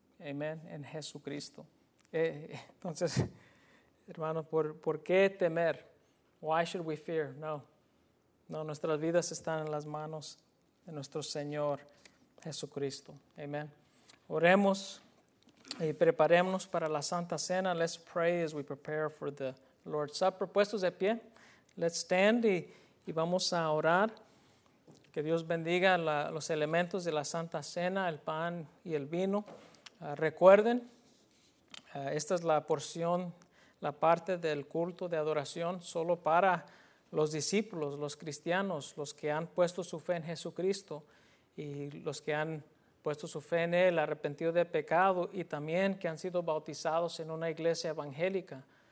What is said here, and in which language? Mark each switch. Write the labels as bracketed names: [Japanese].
[Spanish] Amén. En Jesucristo. Entonces, hermanos, ¿por qué temer? [English] Why should we fear? [Spanish] No, nuestras vidas están en las manos de nuestro Señor Jesucristo. Amén. Oremos y preparémonos para la Santa Cena. [English] Let's pray as we prepare for the Lord's Supper. [Spanish] Puestos de pie, [English] let's stand [Spanish] y vamos a orar. Que Dios bendiga los elementos de la Santa Cena, el pan y el vino. Recuerden, esta es la porción, la parte del culto de adoración solo para los discípulos, los cristianos, los que han puesto su fe en Jesucristo y los que han puesto su fe en Él, arrepentido de pecado y también que han sido bautizados en una iglesia evangélica.